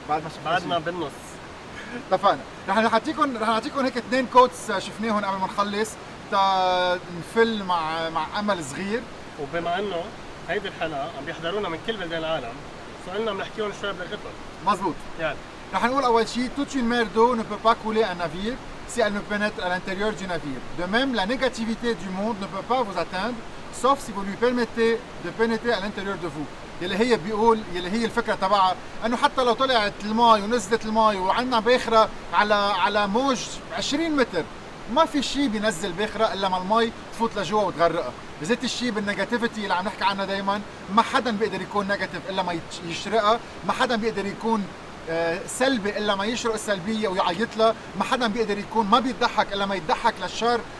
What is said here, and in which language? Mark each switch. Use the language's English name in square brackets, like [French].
[Arabic] بعد ما شفنا بعدنا بالنص. طفانا. رح نعطيكم هيك اثنين كوتس شفناهم قبل ما نخلص نفل مع امل صغير. وبما انه هيدي الحلقه عم بيحضرونا من كل بلدان العالم فقلنا بنحكيهم شوي بلغتهم. مزبوط. يعني رح نقول اول شيء [French] توت شين ميردو ne peut pas couler un navire si elle ne pénètre à l'intérieur du navire. De même, la négativité du monde ne peut pas vous atteindre sauf si vous lui permettez de pénétrer à l'intérieur de vous. [Arabic] يلي هي بيقول يلي هي الفكره تبعها انه حتى لو طلعت المي ونزلت المي وعندنا باخره على موج 20 متر ما في شيء بينزل باخره الا ما المي تفوت لجوا وتغرقها. بزيت الشيء بالنيجاتيفيتي اللي عم نحكي عنها دائما ما حدا بيقدر يكون نيجاتيف الا ما يشرقها، ما حدا بيقدر يكون سلبي الا ما يشرق السلبيه ويعيط لها، ما حدا بيقدر يكون ما بيضحك الا ما يضحك للشر.